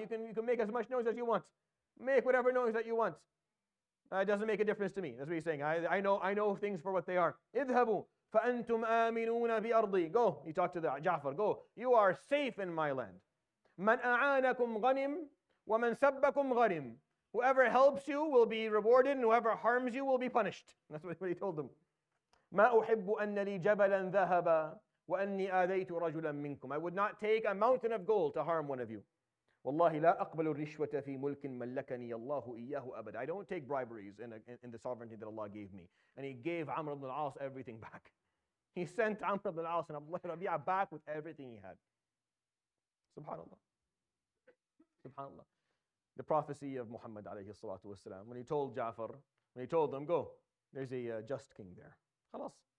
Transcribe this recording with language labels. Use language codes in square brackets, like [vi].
[en] You can make as much noise as you want. Make whatever noise that you want. It doesn't make a difference to me. That's what he's saying. I know things for what they are. [ar] اذهبوا فأنتم آمنون بأرضي. [en] Go. He talked to the Ja'far. Go. You are safe in my land. [ar] من أعانكم غنم ومن سبكم غنم. [en] Whoever helps you will be rewarded and whoever harms you will be punished. That's what he told them. [ar] ما أحب أن لي جبلا ذهبا وأني آذيت رجلا منكم. [en] I would not take a mountain of gold to harm one of you. [ar] والله لا أقبل الرشوة في ملك ملكني الله إياه أبدا. [en] I don't take briberies in the sovereignty that Allah gave me. And he gave Amr ibn al-As everything back. He sent Amr ibn al-As and Abu Rabi'a back with everything he had. Subhanallah. Subhanallah. the prophecy of Muhammad alayhi salatu wasalam, when he told Ja'far, when he told them, go, there's a just king there. Khalas.